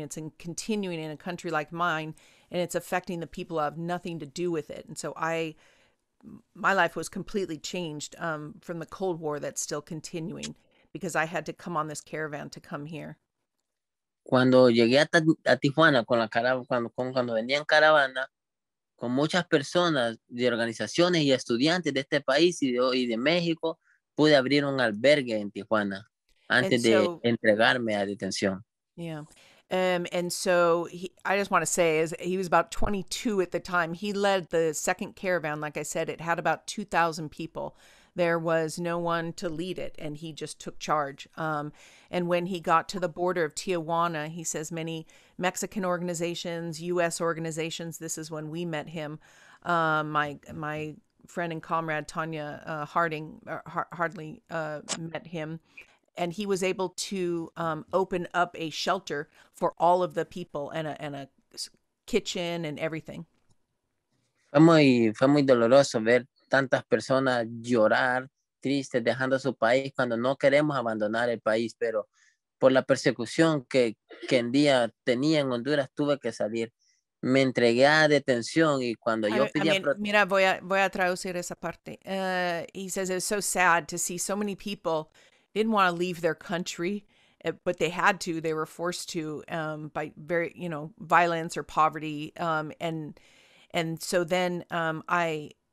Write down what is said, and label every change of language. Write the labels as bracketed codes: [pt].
[en] It's continuing in a country like mine, and it's affecting the people. I have nothing to do with it. And so my life was completely changed from the Cold War that's still continuing because I had to come on this caravan to come here. [es] Cuando llegué a Tijuana con la caravana, cuando venía en caravana con muchas personas de organizaciones y estudiantes de este país y de México, pude abrir un albergue en Tijuana antes de entregarme a detención. [en] Yeah. I just want to say, is he was about 22 at the time. He led the second caravan. Like I said, it had about 2,000 people. There was no one to lead it, and he just took charge. And when he got to the border of Tijuana, he says many Mexican organizations, U.S. organizations. This is when we met him. My friend and comrade Tanya Hardly met him. And he was able to open up a shelter for all of the people and a kitchen and everything. [es] Fue muy doloroso ver tantas personas llorar, tristes, dejando su país cuando no queremos abandonar el país, pero por la persecución que en día tenía en Honduras, tuve que salir. Me entregué a detención y cuando yo pedía... Mira, voy a traducir esa parte. [en] He says it's so sad to see so many people didn't want to leave their country, but they had to. They were forced to by very, violence or poverty. And so then I